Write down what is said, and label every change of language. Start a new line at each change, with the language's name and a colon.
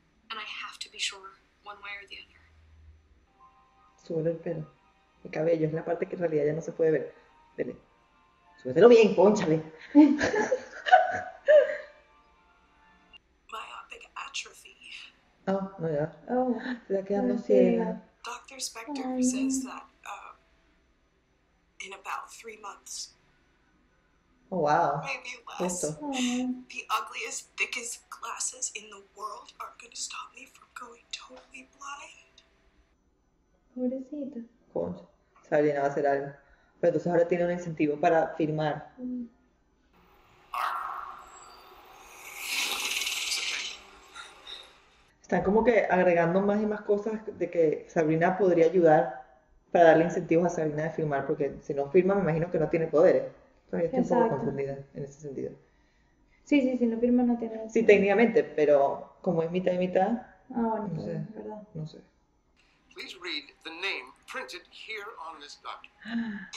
English: And I have to be sure, one way or the other.
Spanish: Súbelo el pelo. El cabello, es la parte que en realidad ya no se puede ver. Dele. Súbetelo bien, pónchale.
English: Myopic atrophy.
Spanish: Oh, no, ya. Oh, se está quedando ciega.
English: Dr. Spector says that in about 3 months. Oh, wow. Maybe less. The ugliest, thickest glasses in the world aren't going to stop me from going totally blind.
Spanish: Pobrecita. Concha. Sabrina va a hacer algo. Pero entonces ahora tiene un incentivo para firmar. Están como que agregando más y más cosas de que Sabrina podría ayudar para darle incentivos a Sabrina de firmar, porque si no firma, me imagino que no tiene poderes. Todavía estoy un poco confundida en ese sentido. Sí, sí, si no firma no tiene poderes. Sí, técnicamente, pero como es mitad y mitad. Ah, bueno, no sé, ¿verdad? No sé.
English: Please read the name printed here on this document.